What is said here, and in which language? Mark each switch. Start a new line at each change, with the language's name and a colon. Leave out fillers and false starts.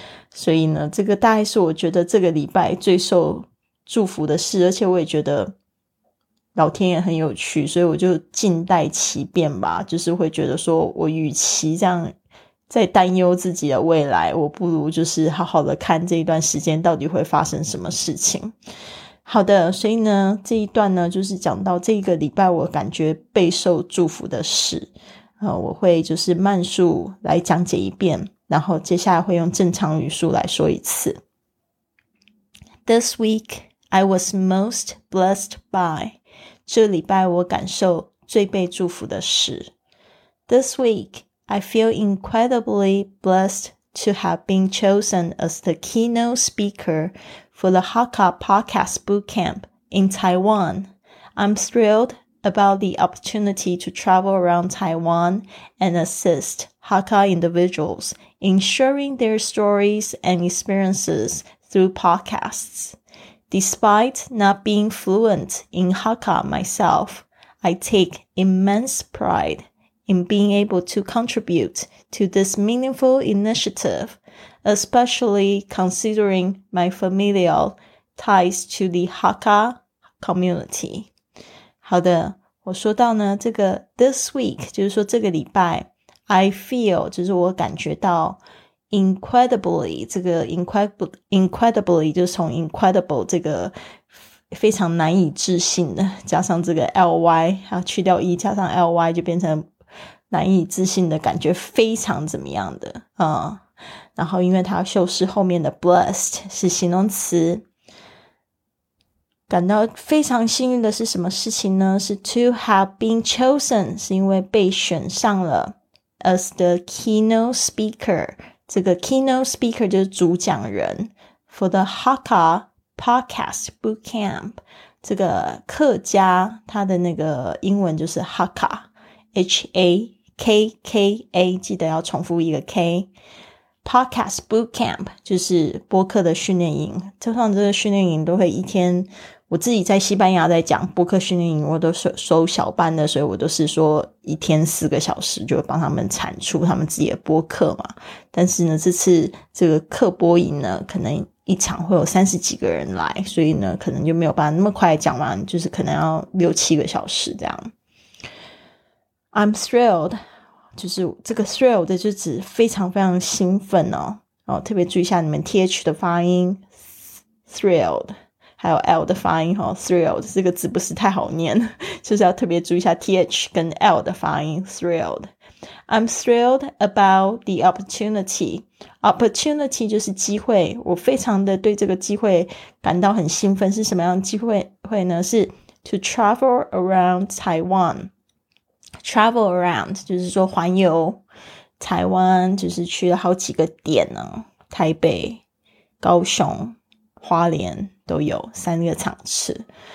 Chinese: 所以呢，这个大概是我觉得这个礼拜最受祝福的事，而且我也觉得老天也很有趣，所以我就静待其变吧，就是会觉得说我与其这样在担忧自己的未来，我不如就是好好的看这一段时间到底会发生什么事情。好的，所以呢，这一段呢就是讲到这个礼拜我感觉备受祝福的事，我会就是慢速来讲解一遍，然后接下来会用正常语速来说一次。
English: This week I was most blessed by，
Chinese: 这礼拜我感受最被祝福的事。
English: This week I feel incredibly blessed to have been chosen as the keynote speakerFor the Hakka Podcast Bootcamp in Taiwan. I'm thrilled about the opportunity to travel around Taiwan and assist Hakka individuals in sharing their stories and experiences through podcasts. Despite not being fluent in Hakka myself, I take immense pride in being able to contribute to this meaningful initiative. Especially considering my familial ties to the Hakka community.
Chinese: 好的，我说到呢，这个
English: this week
Chinese: 就是说这个礼拜 ，
English: I feel
Chinese: 就是我感觉到 incredibly 这个 incredibly 就是从 incredible 这个非常难以置信的，加上这个 ly 啊，去掉 e 加上 ly 就变成难以置信的感觉，非常怎么样的啊？然后因为它修饰后面的 blessed 是形容词，感到非常幸运的是什么事情呢？是
English: to have been chosen，
Chinese: 是因为被选上了
English: as the keynote speaker，
Chinese: 这个 keynote speaker 就是主讲人
English: for the Hakka podcast bootcamp，
Chinese: 这个客家它的那个英文就是 Hakka， H-A-K-K-A， 记得要重复一个 K。 Podcast Bootcamp 就是播客的训练营，通常这个训练营都会一天，我自己在西班牙在讲播客训练营，我都收小班的，所以我都是说一天4个小时就帮他们产出他们自己的播客嘛。但是呢，这次这个客播营呢，可能一场会有30几个人来，所以呢可能就没有办法那么快讲完，就是可能要6-7个小时这样。
English: I'm thrilled，
Chinese: 就是这个 thrilled 就指非常非常兴奋哦，哦，特别注意一下你们 th 的发音 thrilled， 还有 l 的发音哦 ，thrilled 这个字不是太好念，就是要特别注意一下 th 跟 l 的发音 thrilled。
English: I'm thrilled about the opportunity.
Chinese: Opportunity 就是机会，我非常的对这个机会感到很兴奋。是什么样的机会呢？是
English: to travel around Taiwan。 Travel around
Chinese: 就是说环游台湾，就是去了好几个点呢，台北、高雄、花莲都有3个场次。